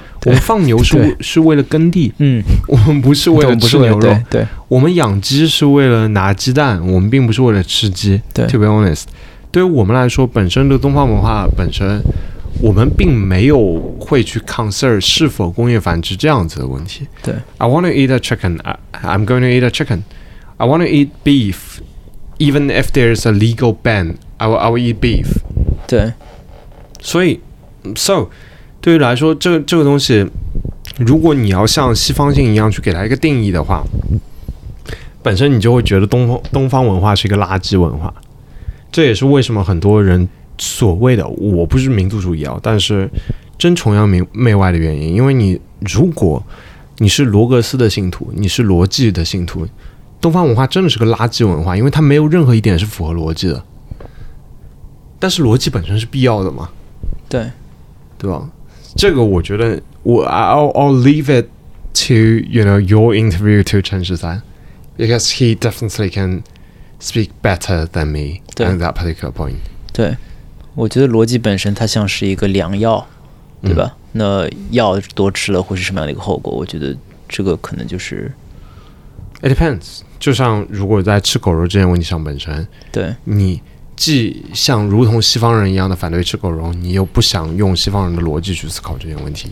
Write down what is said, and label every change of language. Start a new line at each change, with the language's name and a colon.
Chinese: 我们放牛是为了耕地，我们不是为了吃牛肉，对，对，我们养鸡是为了拿鸡蛋，我们并不是为了吃鸡。对，
English: to be honest，
Chinese: 对于我们来说，本身的东方文化本身，我们并没有会去 concern 是否工业繁殖这样子的问题。对
English: ，I want to eat a chicken， I'm going to eat a chicken， I want to eat beef。 Even if there is a legal ban, I will eat beef.
Chinese: 对，所以 ，so 对于来说，这个东西，如果你要像西方性一样去给它一个定义的话，本身你就会觉得东方文化是一个垃圾文化。这也是为什么很多人所谓的我不是民族主义啊，但是真崇洋媚外的原因，因为你如果你是罗格斯的信徒，你是逻辑的信徒。东方文化真的是个垃圾文化，因为它没有任何一点是符合逻辑的。但是逻辑本身是必要的嘛？对，对吧？这个我觉得我
English: I'll leave it to you know your interview to 陈十三 ，because he definitely can speak better than me on that particular point。
Chinese: 对，我觉得逻辑本身它像是一个良药，对吧？那药多吃了会是什么样的一个后果？我觉得这个可能就是。
English: It depends，
Chinese: 就像如果在吃狗肉这件问题上本身，对，你既像如同西方人一样的反对吃狗肉，你又不想用西方人的逻辑去思考这件问题，